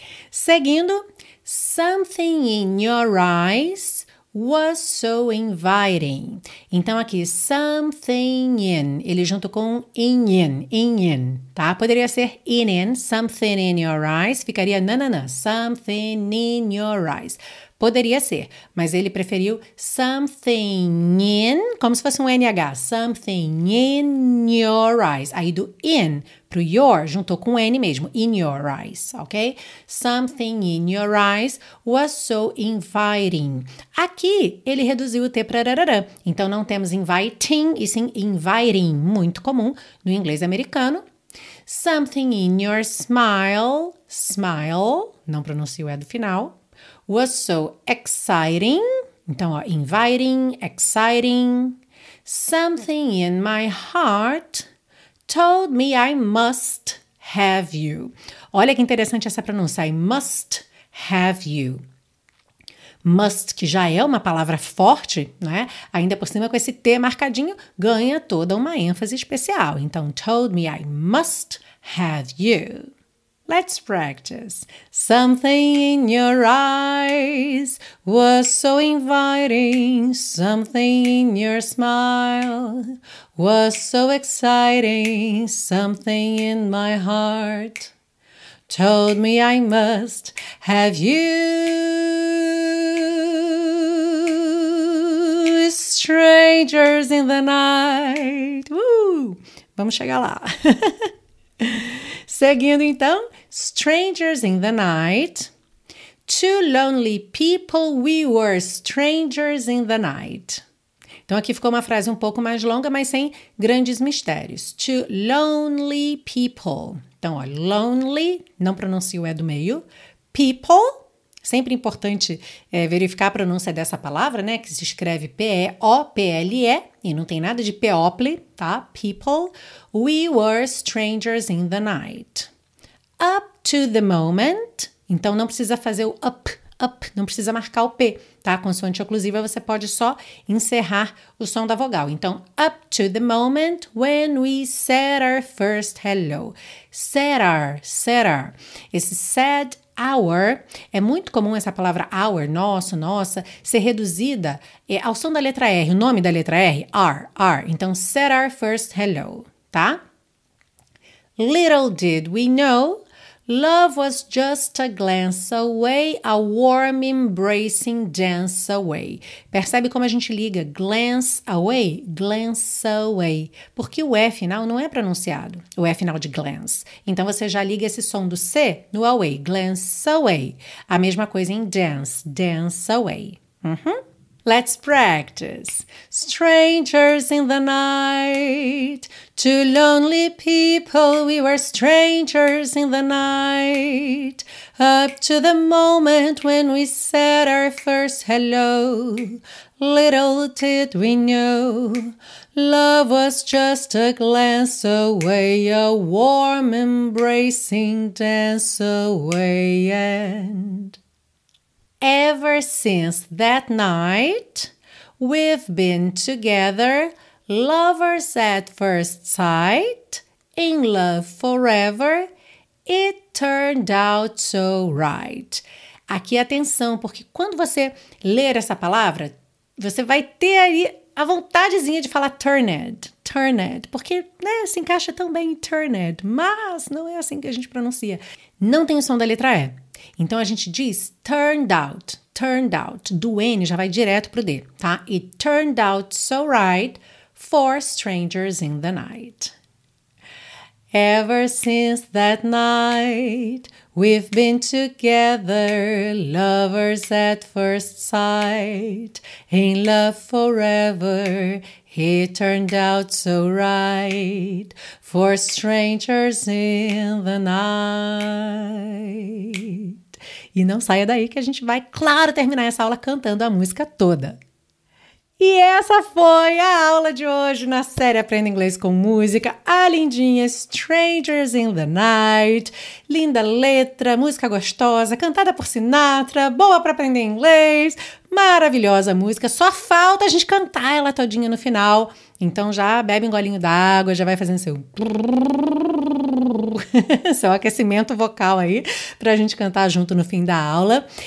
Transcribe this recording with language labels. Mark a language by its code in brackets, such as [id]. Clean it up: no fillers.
[pt] Seguindo, [en] something in your eyes was so inviting. [pt] Então aqui, [en] something in, [pt] ele junto com in, tá? Poderia ser in, [en] something in your eyes, [pt] ficaria nanana, something in your eyes. Poderia ser, mas ele preferiu [en] something in, [pt] como se fosse um NH, [en] something in your eyes. [pt] Aí do in pro your, juntou com N mesmo, [en] in your eyes, [pt] ok? [en] Something in your eyes was so inviting. [pt] Aqui, ele reduziu o T para rararã. Então, não temos inviting, e sim inviting, muito comum no inglês americano. [en] Something in your smile, smile, [pt] não pronuncio o E do final. [en] Was so exciting. [pt] Então, ó, [en] inviting, exciting. Something in my heart told me I must have you. [pt] Olha que interessante essa pronúncia. [en] I must have you. [pt] Must, que já é uma palavra forte, né? Ainda por cima com esse T marcadinho, ganha toda uma ênfase especial. Então, [en] told me I must have you. Let's practice. Something in your eyes was so inviting. Something in your smile was so exciting. Something in my heart told me I must have you. Strangers in the night. Woo! [pt] Vamos chegar lá. Seguindo então, [en] strangers in the night, two lonely people, we were strangers in the night. [pt] Então aqui ficou uma frase um pouco mais longa, mas sem grandes mistérios. [en] Two lonely people. [pt] Então, ó, lonely, não pronuncio o E do meio. People, sempre importante verificar a pronúncia dessa palavra, né? Que se escreve P-E-O-P-L-E e não tem nada de people, tá? [en] People, we were strangers in the night. Up to the moment, [pt] então não precisa fazer o up, up, não precisa marcar o P, tá? Consoante oclusiva, você pode só encerrar o som da vogal. Então, [en] up to the moment when we said our first hello. Said our, said our. [pt] Esse [en] said hour. [pt] É muito comum essa palavra hour, nosso, nossa, ser reduzida ao som da letra R, o nome da letra R, R, R. Então, [en] said our first hello, [pt] tá? [en] Little did we know, love was just a glance away, a warm embracing dance away. [pt] Percebe como a gente liga [en] glance away, glance away. [pt] Porque o E final não é pronunciado, o E final de glance. Então você já liga esse som do C no away, glance away. A mesma coisa em dance, dance away. [en] Uhum. Let's practice. Strangers in the night, two lonely people, we were strangers in the night, up to the moment when we said our first hello. Little did we know, love was just a glance away, a warm embracing dance away. And ever since that night, we've been together, lovers at first sight, in love forever, it turned out so right. [pt] Aqui atenção, porque quando você ler essa palavra, você vai ter aí a vontadezinha de falar turned, turned, porque né, se encaixa tão bem em turned, mas não é assim que a gente pronuncia. Não tem o som da letra E. Então, a gente diz [en] turned out, turned out. [pt] Do N já vai direto pro D, tá? [en] It turned out so right for strangers in the night. Ever since that night, we've been together, lovers at first sight, in love forever, it turned out so right for strangers in the night. [pt] E não saia daí que a gente vai, claro, terminar essa aula cantando a música toda. E essa foi a aula de hoje na série Aprenda Inglês com Música. A lindinha Strangers in the Night. Linda letra, música gostosa, cantada por Sinatra, boa para aprender inglês. Maravilhosa música, só falta a gente cantar ela todinha no final. Então já bebe um golinho d'água, já vai fazendo seu... seu aquecimento vocal aí, pra gente cantar junto no fim da aula.